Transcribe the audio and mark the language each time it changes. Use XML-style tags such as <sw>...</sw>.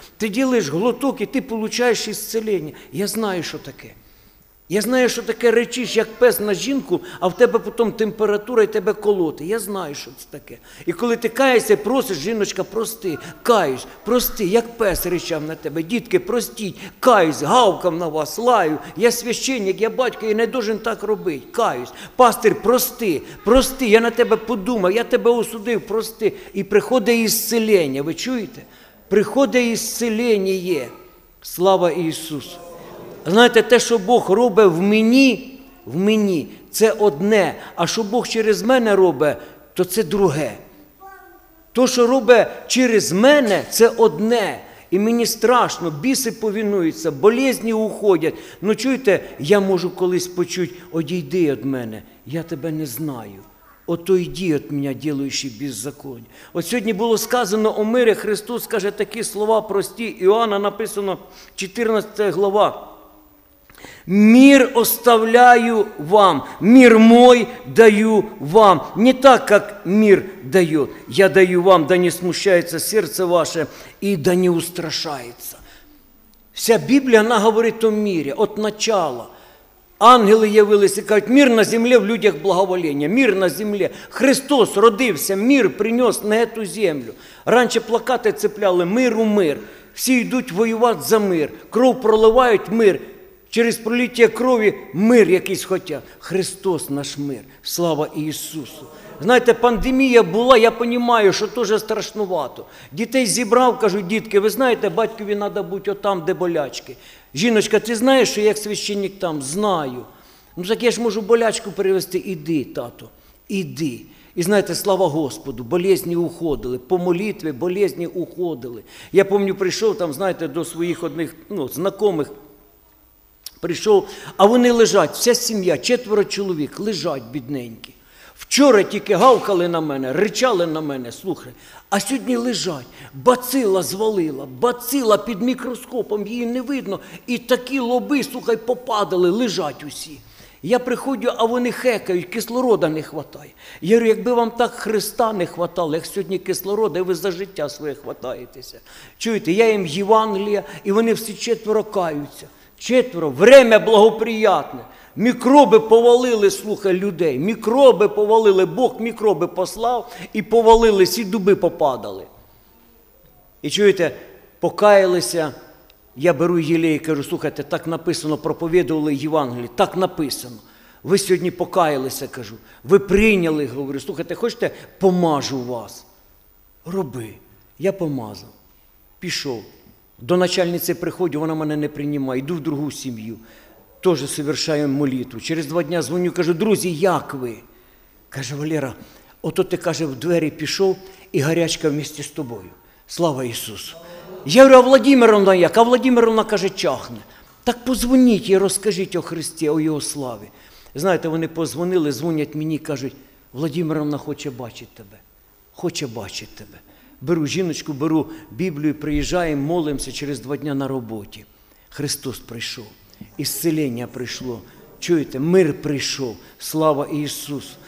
<uk>Ти ділиш глоток, і ти получаєш ісцеління. Я знаю, що таке. Я знаю, що таке речиш, як пес на жінку, а в тебе потім температура, і тебе колоти. Я знаю, що це таке. І коли ти каєшся, просиш, жіночка, прости, каєш, прости, як пес речав на тебе. Дітки, простіть, каюсь, гавкам на вас, лаю. Я священник, я батько, я не должен так робити, каюсь. Пастир, прости, прости, я на тебе подумав, я тебе осудив, прости. І приходить ісцеління, ви чуєте? Приходить ісцеління. Слава Ісусу. Знаєте, те, що Бог робить в мені, це одне, а що Бог через мене робить, то це друге. То, що робить через мене, це одне, і мені страшно, біси повинуються, болезні уходять. Ну, чуєте, я можу колись почути, одійди від мене, я тебе не знаю. Ото йди від мене, ділаючий беззаконня. От сьогодні було сказано о мирі, Христос каже такі слова прості, Іоанна написано 14 глава.</uk> <ru>Мир оставляю вам, мир мой даю вам. Не так, как мир дает. Я даю вам, да не смущается сердце ваше и да не устрашается. Вся Библия, она говорит о мире от начала. Ангели явились и кажут, мир на земле в людях благоволения, мир на земле. Христос родился, мир принес на эту землю. Раньше плакаты цепляли, миру мир. Все идут воювать за мир, кров проливают, мир.</ru> <uk>Через проліття крові мир якийсь хотять. Христос наш мир. Слава Ісусу. Знаєте, пандемія була, я розумію, що дуже страшнувато. Дітей зібрав, кажу, дітки, ви знаєте, батькові треба бути отам, де болячки. Жіночка, ти знаєш, що я як священник там? Знаю. Ну так я ж можу болячку перевести. Іди, тато, іди. І знаєте, слава Господу, болезні уходили, по молитві болезні уходили. Я пам'ятаю, прийшов там, знаєте, до своїх одних знайомих, прийшов, а вони лежать, вся сім'я, четверо чоловік, лежать бідненькі. Вчора тільки гавкали на мене, ричали на мене, слухай, а сьогодні лежать. Бацила звалила, бацила під мікроскопом, її не видно. І такі лоби, слухай, попадали, лежать усі. Я приходжу, а вони хекають, кислорода не хватає. Я говорю, якби вам так Христа не хватало, як сьогодні кислорода, ви за життя своє хватаєтеся. Чуєте, я їм Євангелія, і вони всі четверо каються. Четверо, время благоприятне. Мікроби повалили, слухай, людей. Мікроби повалили, Бог мікроби послав, і повалились, і дуби попадали. І чуєте, покаялися, я беру єлей і кажу, слухайте, так написано, проповідували Євангеліє, так написано. Ви сьогодні покаялися, кажу, ви прийняли, говорю, слухайте, хочете, помажу вас. Роби, я помазав, пішов. До начальниці приходжу, вона мене не приймає, йду в другу сім'ю, теж совершаю молитву. Через два дні дзвоню, кажу, друзі, як ви? Каже, Валера, ото ти, каже, в двері пішов, і гарячка вместе з тобою. Слава Ісусу! Я говорю, а Владимировна як? А Владимировна каже, чахне. Так позвоніть їй, розкажіть о Христі, о Його славі. Знаєте, вони позвонили, дзвонять мені, кажуть, Владимировна хоче бачити тебе, хоче бачити тебе. Беру жіночку, беру Біблію, приїжджаємо, молимося через два дня на роботі. Христос прийшов, ісцеління прийшло, чуєте, мир прийшов, слава Ісусу.</uk>